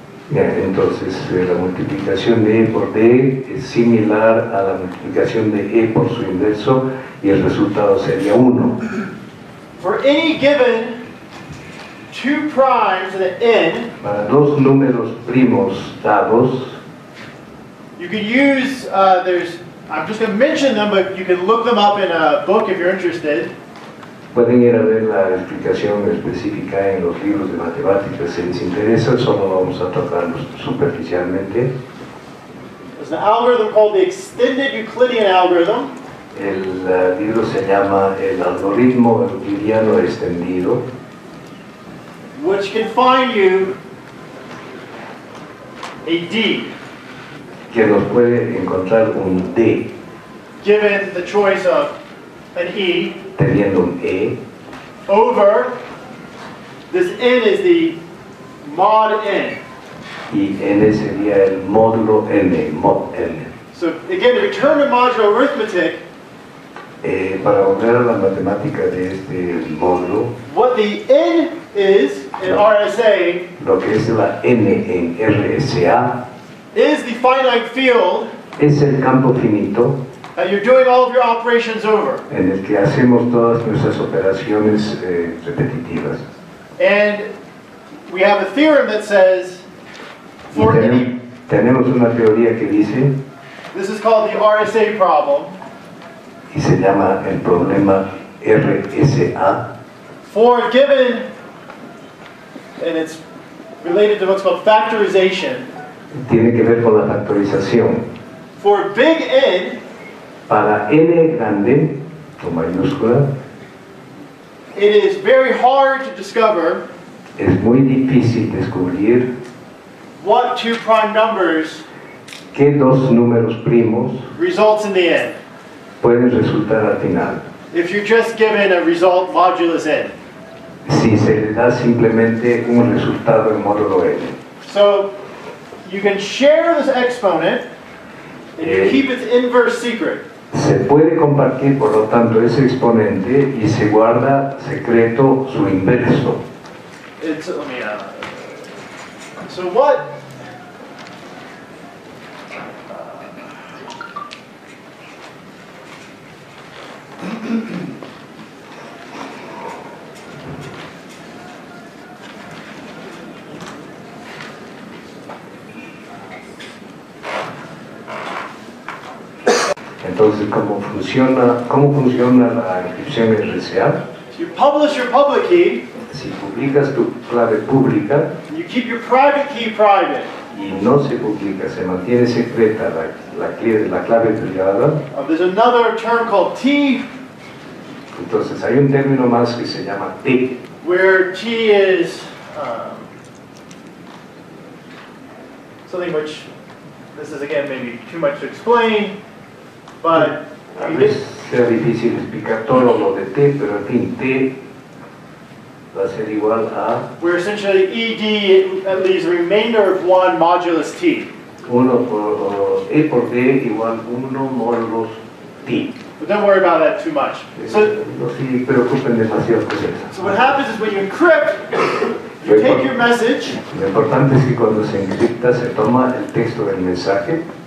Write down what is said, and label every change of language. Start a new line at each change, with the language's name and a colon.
Spanish: Yeah, entonces la multiplicación de E por D es similar a la multiplicación de E por su inverso, y el resultado sería 1.
English: For any given two primes in the N,
Spanish: para dos números primos dados,
English: you can use, there's, I'm just going to mention them, but you can look them up in a book if you're interested.
Spanish: Pueden ir a ver la explicación específica en los libros de matemáticas si les interesa, solo vamos a tocarlos superficialmente.
English: There's an algorithm called the extended Euclidean algorithm.
Spanish: El libro se llama el algoritmo euclidiano extendido.
English: Which can find you a D.
Spanish: Que nos puede encontrar un D.
English: Given the choice of an E.
Spanish: Teniendo un E.
English: Over. This N is the mod N.
Spanish: Y N sería el módulo N, mod N.
English: So again, to return to modular arithmetic.
Spanish: Para volver a la matemática de este módulo.
English: What the N is in RSA.
Spanish: Lo que es la N en RSA.
English: Is the finite field.
Spanish: Es el campo finito.
English: And you're doing all of your operations over.
Spanish: En el que hacemos todas nuestras operaciones repetitivas.
English: And we have a theorem that says for any.
Spanish: Tenemos una teoría que dice.
English: This is called the RSA problem.
Spanish: Y se llama el problema RSA.
English: For given, and it's related to what's called factorization.
Spanish: tiene que ver con la factorización.
English: For big N,
Spanish: para N grande, con mayúscula,
English: it is very hard to discover.
Spanish: Es muy difícil descubrir.
English: What two prime numbers?
Spanish: ¿Qué dos números primos?
English: Results in the N.
Spanish: Puede resultar al final.
English: If you're just given a result modulus N.
Spanish: Si se le da simplemente un resultado en módulo N.
English: So, you can share this exponent and you keep its inverse secret.
Spanish: Se puede compartir, por lo tanto, ese exponente y se guarda secreto su inverso.
English: It's, let me, so what?
Spanish: Entonces, ¿cómo funciona la inscripción RCA?
English: So you publish your public key.
Spanish: Si publicas tu clave pública,
English: you keep your private key private.
Spanish: Y no se publica, se mantiene secreta la clave privada.
English: There's another term called T.
Spanish: Entonces, hay un término más que se llama T.
English: Where T is something which, this is again maybe too much to explain. But
Spanish: a veces sea difícil explicar todo lo de T, pero en fin, T va a ser igual a...
English: We're essentially ED at least remainder of 1 modulus T.
Spanish: 1 por E por D igual 1 modulus T.
English: But don't worry about that too much.
Spanish: No se preocupen demasiado por eso.
English: So what happens is when you encrypt, you take your message...
Spanish: Lo importante es que cuando se encripta se toma el texto del mensaje.